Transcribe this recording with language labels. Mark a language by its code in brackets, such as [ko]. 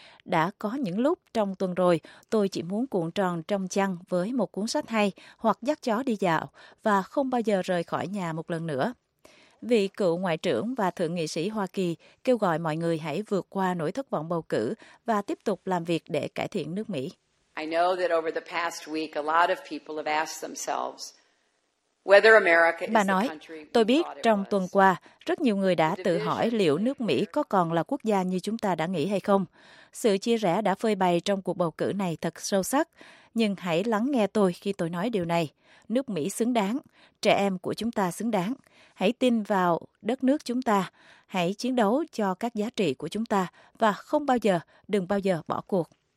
[vi] Đã có những lúc trong tuần rồi, tôi chỉ muốn cuộn tròn trong chăn với một cuốn sách hay hoặc dắt chó đi dạo và không bao giờ rời khỏi nhà một lần nữa. Vị cựu ngoại trưởng và thượng nghị sĩ Hoa Kỳ kêu gọi mọi người hãy vượt qua nỗi thất vọng bầu cử và tiếp tục làm việc để cải thiện nước Mỹ. [en] I know that over the past week a lot of people have asked themselves whether America is the country. [vi] Tôi biết trong tuần qua rất nhiều người đã tự hỏi liệu nước Mỹ có còn là quốc gia như chúng ta đã nghĩ hay không. Sự chia rẽ đã phơi bày trong cuộc bầu cử này thật sâu sắc, nhưng hãy lắng nghe tôi khi tôi nói điều này. Nước Mỹ xứng đáng, trẻ em của chúng ta xứng đáng. Hãy tin vào đất nước chúng ta, hãy chiến đấu cho các giá trị của chúng ta và không bao giờ, đừng bao giờ bỏ cuộc.